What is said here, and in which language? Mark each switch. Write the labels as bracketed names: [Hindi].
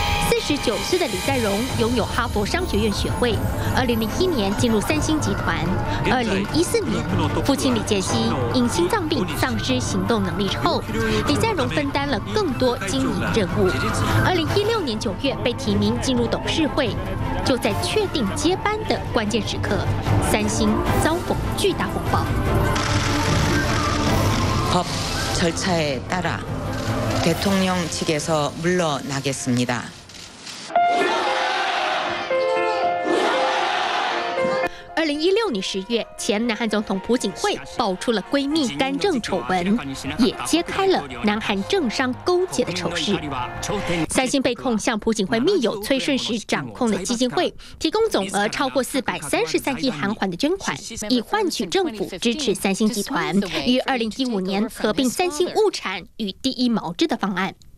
[Chinese] 49岁的李在镕拥有哈佛商学院学位，2001年进入三星集团，2014年父亲李健熙因心脏病丧失行动能力后，李在镕分担了更多经营任务。 2016年9月被提名进入董事会，就在确定接班的关键时刻，三星遭逢巨大风暴。 [Korean] 법절차에따라대통령측에서물러나겠습니다 [Chinese] 2016年10月，前南韩总统朴槿惠爆出了闺蜜干政丑闻，也揭开了南韩政商勾结的丑事。三星被控向朴槿惠密友崔顺实掌控的基金会提供总额超过433亿韩元的捐款，以换取政府支持三星集团于2015年合并三星物产与第一毛织的方案。